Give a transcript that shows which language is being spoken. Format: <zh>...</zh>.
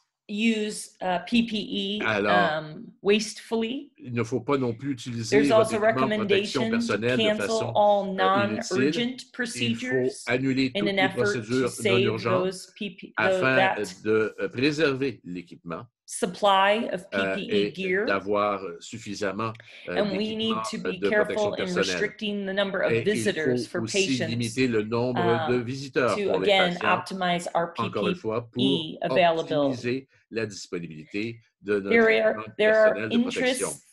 <en>Use PPE wastefully.</en> <fr>Il ne faut pas non plus utiliser votre équipement de protection personnelle de façon inutile. Il faut annuler toutes les procédures non urgentes afin de préserver l'équipement</fr> <en>supply of PPE gear.</en> <fr>Et d'avoir suffisamment d'équipement de protection personnelle.</fr> <en>And we need to be careful in restricting the number of visitors for patients.</en> <fr>Et il faut aussi limiter le nombre de visiteurs pour les patients.</fr> <en>To again optimize our PPE availability.</en> <fr>Encore une fois, pour optimiser la disponibilité de notre personnel de protection.</fr>